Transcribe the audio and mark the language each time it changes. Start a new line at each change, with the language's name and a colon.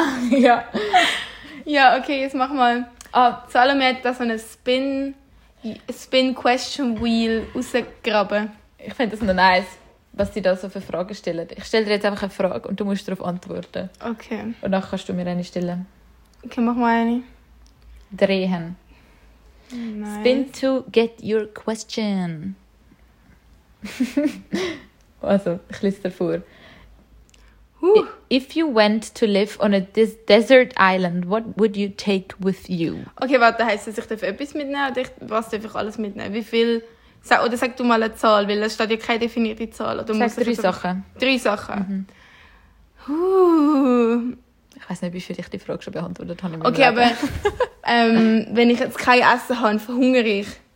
German: Ja. Ja, okay, jetzt mach mal. Salome hat da so eine Spin-Question-Wheel rausgraben. Ich finde das noch nice, was sie da so für Fragen stellen. Ich stelle dir jetzt einfach eine Frage und du musst darauf antworten. Okay. Und dann kannst du mir eine stellen. Okay, mach mal eine. Drehen. Nice.
English: Spin to get your question.
German: Also, ich lese dir vor.
English: If you went to live on a desert island, what would you take with you?
German: Okay, warte, heisst das, ich darf etwas mitnehmen oder was darf ich alles mitnehmen? Wie viel? Oder sag du mal eine Zahl, weil es steht ja keine definierte Zahl. Oder sag drei Sachen. Drei Sachen. Mhm. Ich weiß nicht, wie viel ich die Frage schon beantwortet habe. Okay, Leben. Aber wenn ich jetzt kein Essen habe, verhungere ich.